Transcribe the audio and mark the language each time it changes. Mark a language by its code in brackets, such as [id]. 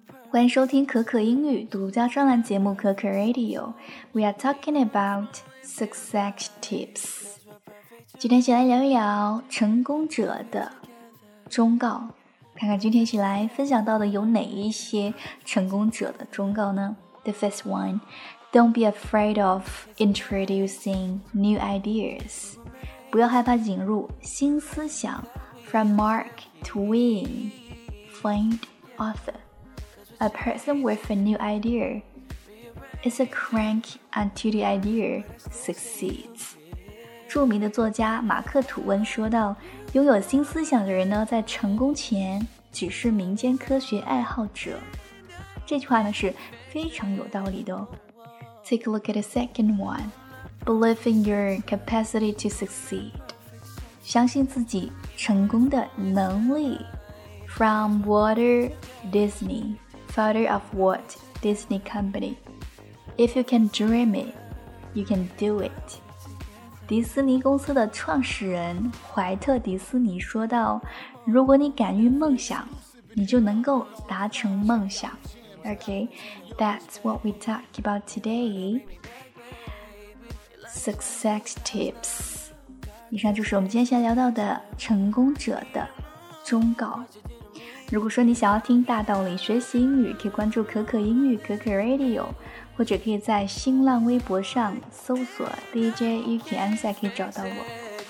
[zh] 欢迎收听可可英语独家专栏节目可可 Radio. [en] We are talking about success tips. [zh] 今天先来聊一聊成功者的忠告，看看今天起来分享到的有哪一些成功者的忠告呢？ [en] The first one, don't be afraid of introducing new ideas. [zh] 不要害怕引入新思想。 [en] From Mark Twain, famed author. A person with a new idea is a crank until the idea succeeds. [zh] 著名的作家马克·吐温说道，拥有新思想的人呢，在成功前只是民间科学爱好者。这句话呢，是非常有道理的哦。 [en] Take a look at the second one. Believe in your capacity to succeed. [zh] 相信自己成功的能力。 [en] From Walt Disney, founder of Walt Disney Company. If you can dream it, you can do it. [zh] 迪士尼公司的创始人怀特·迪士尼说道，如果你敢于梦想，你就能够达成梦想。 [en] OK, that's what we talk about today. Success tips. [zh] 以上就是我们今天聊到的成功者的忠告。如果说你想要听大道理学习英语，可以关注可可英语可可 Radio，或者可以在新浪微博上搜索 DJ Yuki Anza 可以找到我。